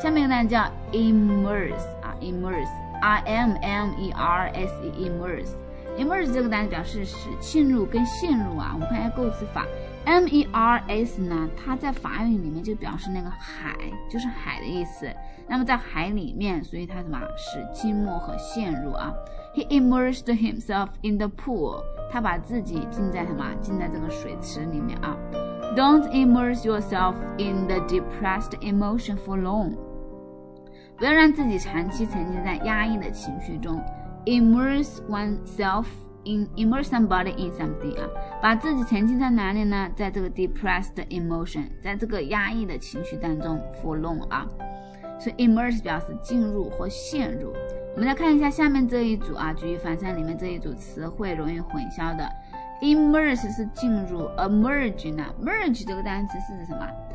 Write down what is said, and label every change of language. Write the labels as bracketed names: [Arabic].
[Chinese] 下面一个呢叫 immerse 啊 ，immerse，immerse。 immerse 这个单词表示使浸入跟陷入啊，我们看一下构词法。 MERS 呢，它在法语里面就表示那个海，就是海的意思。那么在海里面，所以它什么使浸没和陷入啊。 [English] He immersed himself in the pool. [Chinese] 他把自己浸在什么？浸在这个水池里面啊。 [English] Don't immerse yourself in the depressed emotion for long. [Chinese] 不要让自己长期沉浸在压抑的情绪中。 [English] Immerse oneself in, immerse somebody in something [Chinese] 啊，把自己沉浸在哪里呢？在这个 [English] depressed emotion， [Chinese] 在这个压抑的情绪当中 [English] for long [Chinese] 啊。所以 immerse 表示进入或陷入。我们来看一下下面这一组啊，举一反三里面这一组词汇容易混淆的。 immerse 是进入 ，emerge 呢 ？merge 这个单词是指什么？